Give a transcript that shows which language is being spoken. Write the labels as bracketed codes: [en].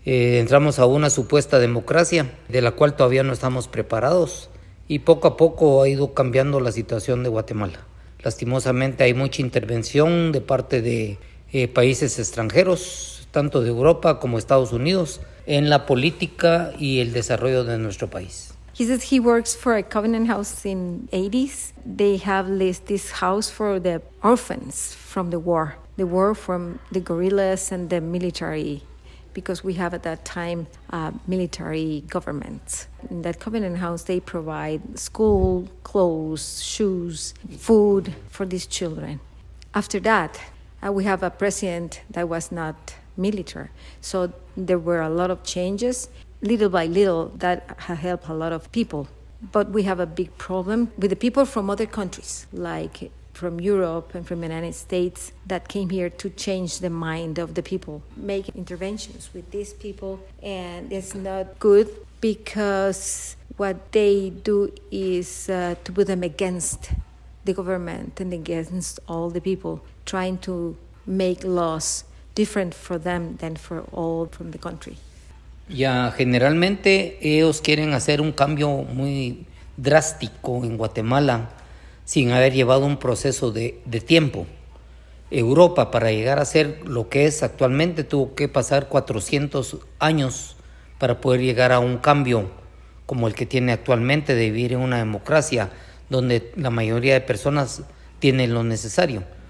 [es] Entramos a una supuesta democracia, de la cual todavía no estamos preparados, y poco a poco ha ido cambiando la situación de Guatemala. Lastimosamente hay mucha intervención de parte de países extranjeros, tanto de Europa como Estados Unidos, en la política y el desarrollo de nuestro país. [en] He says he works for a Covenant House in the 80s. They have leased this house for the orphans from the war from the guerrillas and the military, because we have at that time a military government. In that Covenant House, they provide school, clothes, shoes, food for these children. After that, we have a president that was not military. So there were a lot of changes. little by little, that has helped a lot of people. But we have a big problem with the people from other countries, like from Europe and from the United States, that came here to change the mind of the people, make interventions with these people. And it's not good, because what they do is to put them against the government and against all the people, trying to make laws different for them than for all from the country. [es] Ya, generalmente ellos quieren hacer un cambio muy drástico en Guatemala sin haber llevado un proceso de tiempo. Europa, para llegar a ser lo que es actualmente, tuvo que pasar 400 años para poder llegar a un cambio como el que tiene actualmente, de vivir en una democracia donde la mayoría de personas tienen lo necesario.